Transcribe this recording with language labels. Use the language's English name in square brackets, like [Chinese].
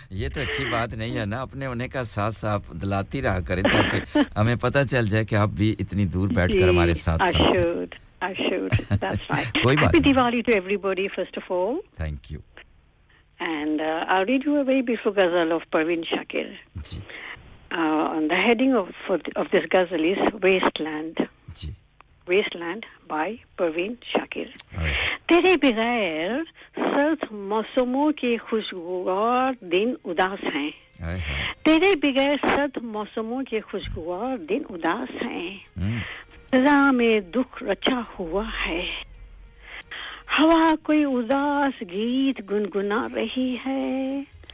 [Hindi] ये तो अच्छी बात नहीं है ना अपने होने का साथ साथ दिलाती रहा करें ताकि हमें पता चल जाए कि आप भी इतनी दूर बैठकर हमारे साथ [English] I should that's right [Hindi] कोई बात [English] नहीं Diwali to everybody first of all thank you and I read you a very beautiful ghazal of Parveen Shakir [Hindi] ji [English] On the heading of this ghazal is Wasteland. [Hindi] Ji. [English] Wasteland by Parveen Shakir. [Hindi] तेरे बगैर सर्द मौसमों के खुशगुवार दिन उदास हैं. तेरे बगैर सर्द मौसमों के खुशगुवार दिन उदास हैं. फिजा में दुख रचा हुआ है. हवा कोई उदास गीत गुनगुना रही है.